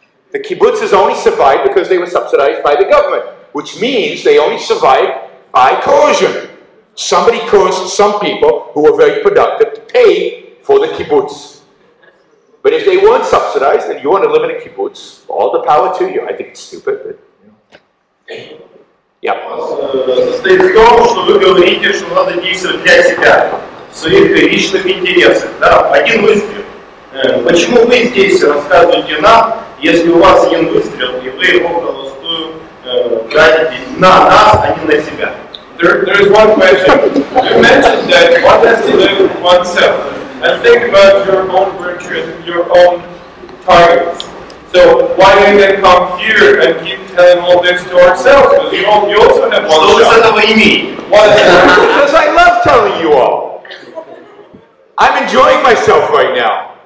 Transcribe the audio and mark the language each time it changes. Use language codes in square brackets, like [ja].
[en] The kibbutz has only survived because they were subsidized by the government, which means they only survived by coercion. Somebody coerced some people who were very productive to pay for the kibbutz. But if they weren't subsidized and you want to live in a kibbutz, all the power to you. I think it's stupid, but yeah. [ru] State того, что вы говорите, что надо действовать для себя, своих личных интересов. Да, один выстрел. Почему вы здесь рассказываете нам, если у вас один выстрел, и вы его холостую тратите на нас, а не на себя? [en] There is one question. You mentioned that one has to live oneself and think about your own virtue and your own targets. So why do you then come here and keep telling all this to ourselves? Because you also have one. What does that mean? Because I love telling you all. I'm enjoying myself right now.